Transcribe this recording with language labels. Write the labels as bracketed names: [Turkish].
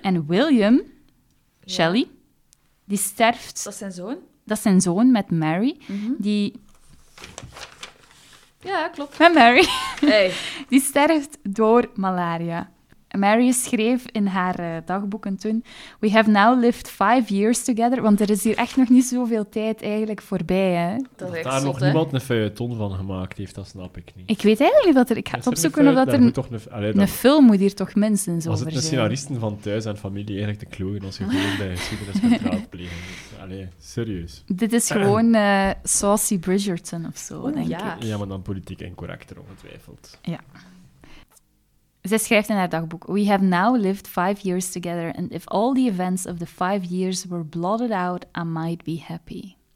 [Dutch] En William, Shelley, die sterft... Dat is zijn zoon? Dat is zijn zoon met Mary. Mm-hmm. Die... Ja, klopt. Met Mary. Hey. Die sterft door malaria. Mary schreef in haar dagboeken toen... [English] We have now lived 5 years together. [Dutch] Want er is hier echt nog niet zoveel tijd eigenlijk voorbij. Hè? Dat echt daar zot, nog hè? Niemand een feuilleton van gemaakt heeft, dat snap ik niet. Ik weet eigenlijk dat er... Ik ga het opzoeken of dat er... Moet toch een film moet hier toch minstens over zijn. Als het de scenaristen van thuis en familie eigenlijk te klogen als je gewoon bij geschiedenis kunt raadplegen. Allee, serieus. Dit is gewoon Saucy Bridgerton of zo, denk ik. Ja, maar dan politiek incorrecter, ongetwijfeld. Ja. Zij schrijft in haar dagboek: [English] We have now lived 5 years together, and if all the events of the 5 years were blotted out, I might be happy.